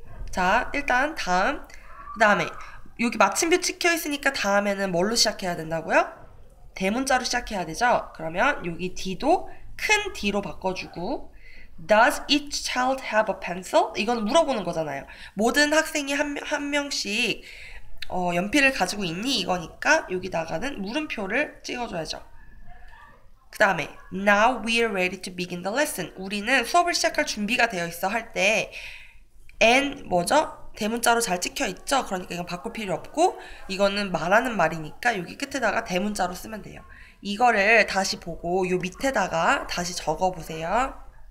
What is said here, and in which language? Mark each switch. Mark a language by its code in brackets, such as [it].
[ko] 자, 일단 다음. 그 다음에, 여기 마침표 찍혀 있으니까 다음에는 뭘로 시작해야 된다고요? 대문자로 시작해야 되죠? 그러면 여기 D도 큰 D로 바꿔주고, [en] Does each child have a pencil? [ko] 이건 물어보는 거잖아요. 모든 학생이 한 명씩, 연필을 가지고 있니? 이거니까 여기다가는 물음표를 찍어줘야죠. 그 다음에, [en] Now we are ready to begin the lesson. [ko] 우리는 수업을 시작할 준비가 되어 있어 할 때, and, 뭐죠? 대문자로 잘 찍혀 있죠? 그러니까 이건 바꿀 필요 없고, 이거는 말하는 말이니까 여기 끝에다가 대문자로 쓰면 돼요. 이거를 다시 보고, 요 밑에다가 다시 적어 보세요.